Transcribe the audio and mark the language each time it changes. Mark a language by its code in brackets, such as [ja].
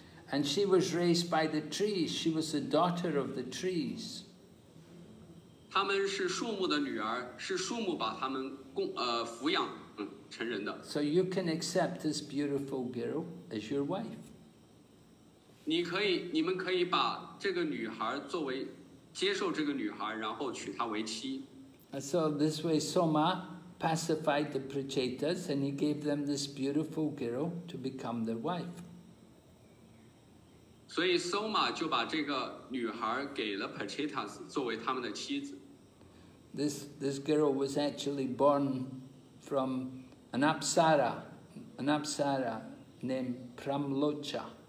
[en] And she was raised by the trees, she was the daughter of the trees. [zh] 她们是树木的女儿, 是树木把她们供, 抚养。 [en] So you can accept this beautiful girl as your wife. [zh] 你们可以把这个女孩作为接受这个女孩，然后娶她为妻。 [en] So this way, Soma pacified the Prachetas and he gave them this beautiful girl to become their wife. [zh] 所以 Soma 就把这个女孩给了 Prachetas 作为他们的妻子。 [en] This girl was actually born from An apsara named Pramlocha.